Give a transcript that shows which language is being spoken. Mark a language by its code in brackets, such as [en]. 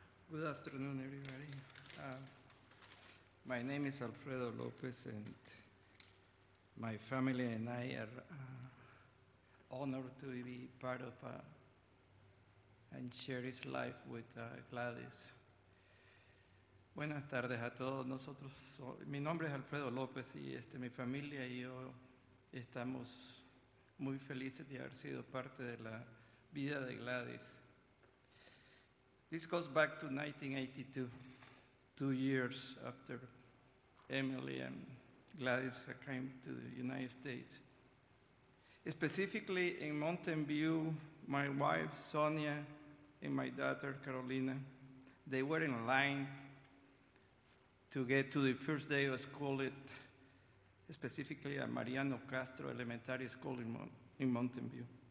[en] Good afternoon, everybody. My name is Alfredo Lopez, and my family and I are honored to be part of and share this life with Gladys. [es] Buenas tardes a todos. Nosotros, mi nombre es Alfredo Lopez, y mi familia y yo estamos muy felices de haber sido parte de la vida de Gladys. [en] This goes back to 1982, 2 years after Emily and Gladys came to the United States. Specifically in Mountain View, my wife Sonia and my daughter Carolina, they were in line to get to the first day of school at, specifically at Mariano Castro Elementary School in Mountain View.